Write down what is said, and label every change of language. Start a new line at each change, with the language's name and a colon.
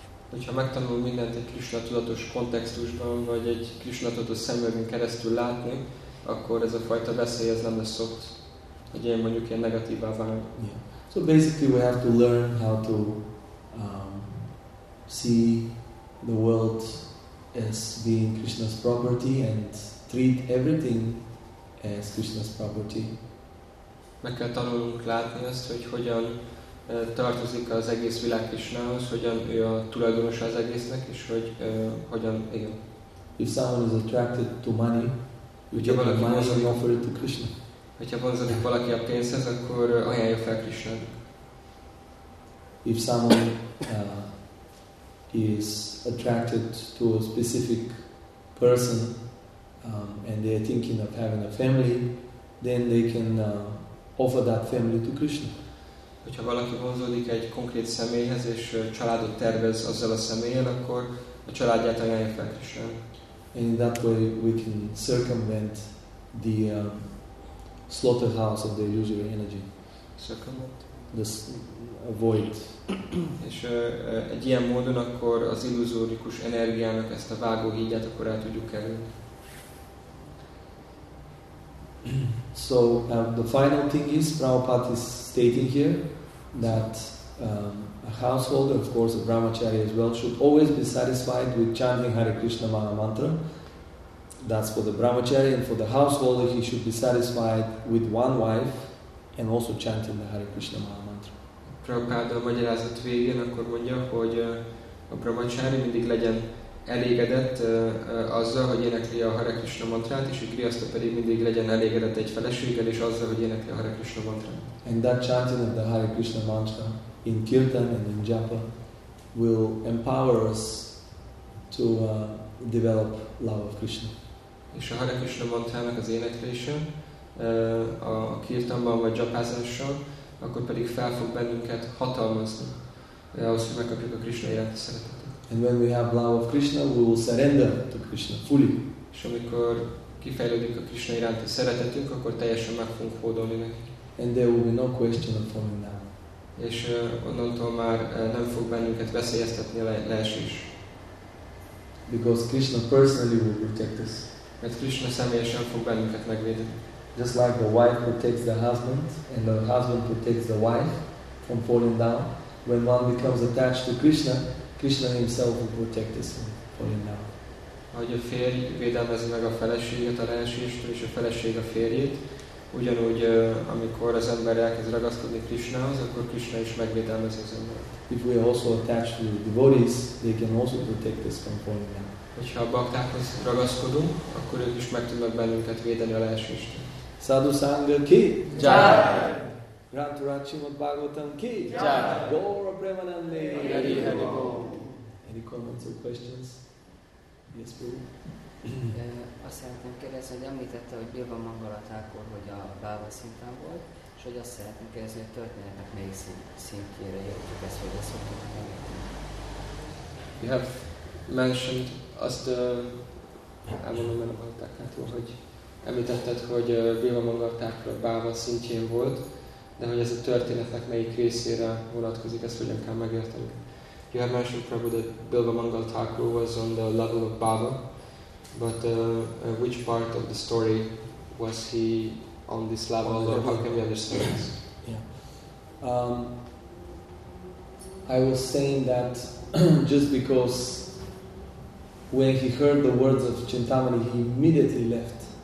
Hungarian: Hogyha megtanul mindent egy Krishna tudatos kontextusban, vagy egy Krishna tudatos szemüvegen keresztül látni, akkor ez a fajta veszély ez nem lesz szokt, hogy én mondjuk ilyen negatívá válunk.
English: Yeah. So basically we have to learn how to see the world as being Krishna's property and treat everything as Krishna's property.
Hungarian: Meg kell tanulnunk látni azt, hogy hogyan tartozik az egész világ Krishnához, hogyan ő a tulajdonos az egésznek, és hogy hogyan igen.
English: If someone is attracted to money, offer it to Krishna.
Hungarian: Hogyha vonzódik valaki a pénzhez, akkor ajánlja fel Krishnának.
English: If someone is attracted to a specific person and they are thinking of having a family, then they can offer that family to Krishna.
Hungarian: Hogyha valaki vonzódik egy konkrét személyhez és családot tervez azzal a személlyel, akkor a családját ajánlja fel Krishnának.
English: And in that way we can circumvent the slaughterhouse of the illusory energy. Circumvent? This avoid.
Hungarian: És egy ilyen módon akkor az illuzórikus energiának ezt a vágóhídját akkor el tudjuk kerülni.
English: So the final thing is, Prabhupada is stating here that a householder, of course a brahmachari as well, should always be satisfied with chanting Hare Krishna Maha Mantra. That's for the brahmachari, and for the householder he should be satisfied with one wife and also chanting the Hare Krishna Maha Mantra. Prabhupada a magyarázat végén akkor mondja, hogy a brahmachari mindig legyen elégedett azzal, hogy énekli a Hare Krishna mantrát, és a grihasztha pedig mindig legyen elégedett egy feleséggel és azzal, hogy énekli a Hare Krishna mantrát. And that chanting of the Hare Krishna mantra in kirtan and in japa will empower us to develop love of Krishna. És a Hare Krishna mantrának az éneklése a kirtanban vagy japázással, akkor pedig fel fog bennünket hatalmazni, ahhoz, hogy megkapjuk a Krishna iránti szeretetet. And when we have love of Krishna, we will surrender to Krishna fully. És amikor kifejlődik a Krishna iránti szeretetünk, akkor teljesen meg fogunk hódolni neki. And there will be no question of falling down. És onnantól már nem fog bennünket veszélyeztetni a leesés. Because Krishna personally will protect us. Mert Krishna személyesen fog bennünket megvédeni. Just like the wife protects the husband, and the husband protects the wife from falling down, when one becomes attached to Krishna, Krishna himself will protect us for him now.
Hungarian: Hogy a férj védelmezi meg a feleséget, a leesést, és a feleség a férjét. Ugyanúgy, amikor az ember elkezd ragaszkodni Krishnához, akkor Krishna is megvédelmezi az embert.
English: If we are also attached to the devotees, they can also protect us from falling down.
Hungarian: Hogyha a baktákhoz ragaszkodunk, akkor ők is meg tudnak bennünket védeni a leesést.
Sanskrit: Sadhu Sangha ki? Jai! Rantu Rachimad Bhagavatam ki? Jai! Gaura Premanande! Hari Hari Bo!
English: Any comments or questions? Yes, please.
Hungarian: Azt szeretném kérdezni, hogy említette, hogy Bilba Mangala Thakur, hogy a Bhava szinten volt, és hogy azt szeretném kérdezni, hogy a történetnek melyik szintjére jöttük ezt, hogy ezt szoktuk megérteni.
English: You have mentioned,
Hungarian: azt elmondom el a Bhava Thakurtól, hogy említetted, hogy Bilba Mangala Thakur a Bhava szintjén volt, de hogy ez a történetnek melyik részére vonatkozik, ezt hogyan kell megérteni.
English: You have mentioned probably that Bilba Mangala Thakur was on the level of Bhava, but which part of the story was he on this level, or how can we understand this? I was saying that just because when he heard the words of Chintamani, he immediately left.